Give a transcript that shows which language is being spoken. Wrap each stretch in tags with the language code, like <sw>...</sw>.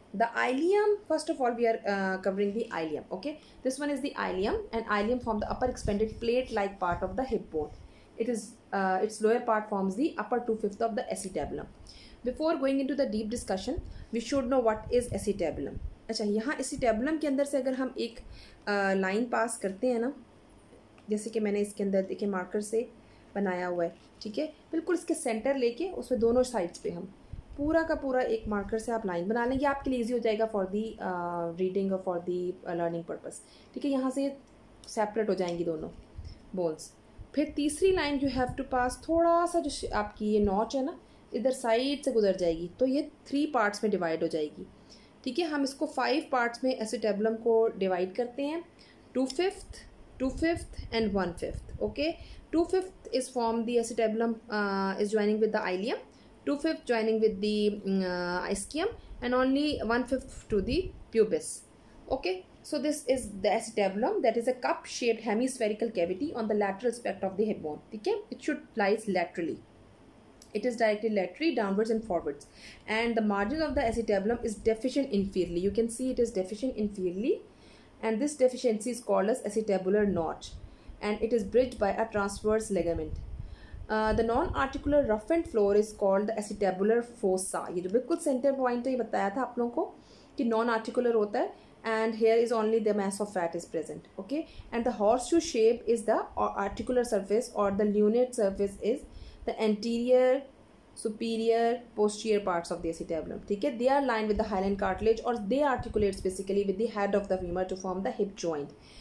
<en>The ilium, first of all, we are covering the ilium. This one is the ilium, and ilium forms the upper expanded plate-like part of the hip bone. It is its lower part forms the upper two-fifths of the acetabulum. Before going into the deep discussion, we should know what is acetabulum.</en> <hi>यहाँ acetabulum के अंदर से अगर हम एक line pass करते हैं ना, जैसे कि मैंने इसके अंदर देखे marker से बनाया हुआ है, ठीक है? बिल्कुल इसके center लेके उसमें दोनों sides पे हम पूरा का पूरा एक marker से आप line बना लें, ये आपके लिए easy हो जाएगा</hi> <en>for the reading or for the learning purpose,</en> <hi>ठीक है? यहाँ से separate हो जाएंगी दोनों bones. फिर तीसरी line</hi> <en>you have to pass</en> <hi>थोड़ा सा जो आपकी ये notch है ना, इधर साइड से गुजर जाएगी तो ये थ्री पार्ट्स में डिवाइड हो जाएगी. ठीक है, हम इसको फाइव पार्ट्स में एसिटेबलम को डिवाइड करते हैं.</hi> <en>Two fifth and one fifth. Two fifth is form the acetabulum is joining with the ilium, two fifth joining with the ischium and only one fifth to the pubis. So this is the acetabulum that is a cup shaped hemispherical cavity on the lateral aspect of the hip bone.</en> <hi>ठीक है,</hi> <en>It should lies laterally. It is directed laterally, downwards and forwards. And the margin of the acetabulum is deficient inferiorly. You can see it is deficient inferiorly. And this deficiency is called as acetabular notch. And it is bridged by a transverse ligament. The non-articular roughened floor is called the acetabular fossa.</en> <hi>ये जो बिल्कुल center point है ये बताया था आप लोगों को कि non-articular होता है.</hi> <en>And here is only the mass of fat is present. And the horseshoe shape is the articular surface, or the lunate surface is the anterior, superior, posterior parts of the acetabulum. They are lined with the hyaline cartilage, or they articulate specifically with the head of the femur to form the hip joint.</en>